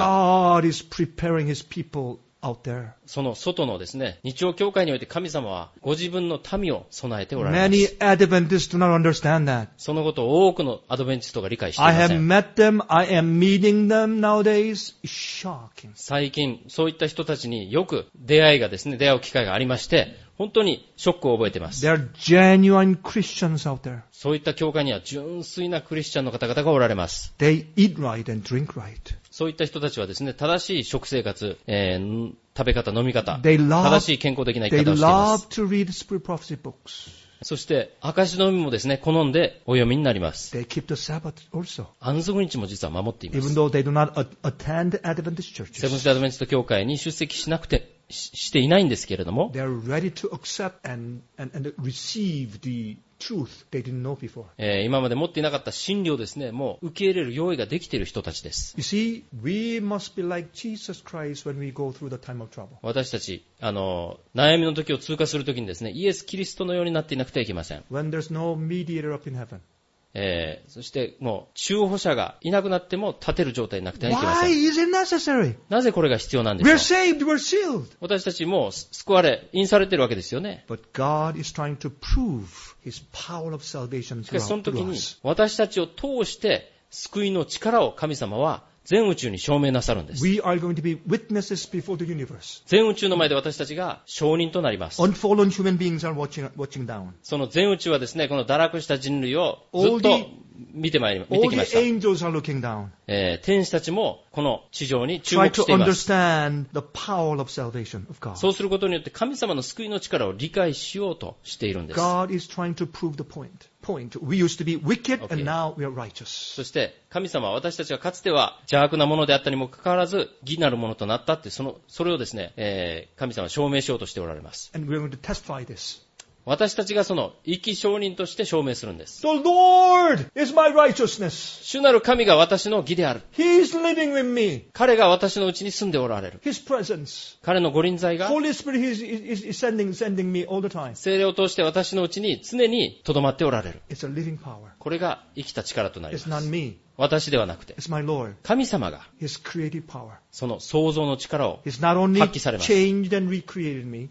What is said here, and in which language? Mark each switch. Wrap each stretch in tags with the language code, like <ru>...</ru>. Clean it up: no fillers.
<en>God is preparing his people out there.</en> <ja>その外のですね、日曜教会において神様はご自分の民を備えておられます。</ja> <en>Many Adventists do not understand that.</en> <ja>そのことを多くのアドベンチストが理解していません。</ja> <en>I have met them. I am meeting them nowadays. Shocking.</en> <ja>最近そういった人たちによく出会いがですね、出会う機会がありまして。本当にショックを覚えています。</ja> <en>There are genuine Christians out there.</en> <ja>そういった教会には純粋なクリスチャンの方々がおられます。</ja> <en>They eat right and drink right.</en> <ja>そういった人たちはですね、正しい食生活、食べ方、飲み方、正しい健康的な生き方をしています。</ja> <en>They love to read prophecy books.</en> <ja>そして、証の海もですね、好んでお読みになります。</ja> <en>They keep the Sabbath also.</en> <ja>安息日も実は守っています。</ja> <en>Even though they do not attend Adventist churches.</en> <ja>セブンス・アドベンチスト教会に出席しなくて、していないんですけれども、</ja> <en>They are ready to accept and receive the truth they didn't know before.</en> <ja>今まで持っていなかった真理をですね、もう受け入れる用意ができている人たちです。</ja> <en>You see, we must be like Jesus Christ when we go through the time of trouble.</en> <ja>私たち、悩みの時を通過するときにですね、イエス・キリストのようになっていなくてはいけません。</ja> <en>When there's no mediator up in heaven.</en> <ja>そしてもう中保者がいなくなっても立てる状態になくてはいけません。</ja> <en>Why is it necessary?</en> <ja>なぜこれが必要なんでしょう。</ja> <en>We're saved, we're sealed.</en> <ja>私たちも救われ、印されているわけですよね。</ja> <en>But God is trying to prove His power of salvation through us.</en> <ja>しかしその時に私たちを通して救いの力を神様は全宇宙に証明なさるんです。</ja> <en>We are going to be witnesses before the universe.</en> <ja>全宇宙の前で私たちが証人となります。</ja> <en>Unfallen human beings are watching down.</en> <ja>その全宇宙はですね、この堕落した人類をずっと見てまいりました。</ja> <en>All the angels are looking down.</en> <ja>天使たちもこの地上に注目しています。</ja> <en>Try to understand the power of salvation of God.</en> <ja>そうすることによって神様の救いの力を理解しようとしているんです。</ja> <en>God is trying to prove the point. We used to be wicked, and now we are righteous.</en> <ja>そして神様は私たちがかつては邪悪なものであったにもかかわらず義なるものとなったって、それをですね、神様は証明しようとしておられます。</ja> <en>And we are going to testify this.</en> <ja>私たちがその生き証人として証明するんです。</ja> <en>The Lord is my righteousness.</en> <ja>主なる神が私の義である。</ja> <en>He is living with me.</en> <ja>彼が私のうちに住んでおられる。</ja> <en>His presence.</en> <ja>彼の御臨在が。</ja> <en>Holy Spirit is sending me all the time.</en> <ja>聖霊を通して私のうちに常に留まっておられる。</ja> <en>It's a living power.</en> <ja>これが生きた力となります。</ja> <en>It's not me.</en> <ja>私ではなくて、神様がその創造の力を発揮されます。</ja>